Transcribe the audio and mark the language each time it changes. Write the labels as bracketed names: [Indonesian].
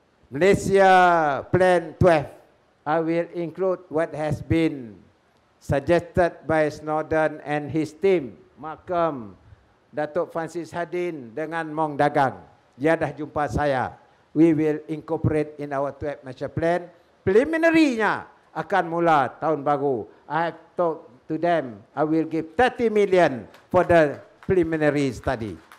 [English] Malaysia Plan 12, I will include what has been suggested by Snowden and his team, Markham, Datuk Francis Hadin dengan Mong Dagang. [Malay] Dia dah jumpa saya. [English] We will incorporate in our 12 Malaysia Plan. [Malay] Preliminary-nya akan mula tahun baru. [English] I have talked to them. I will give 30 million for the preliminary study.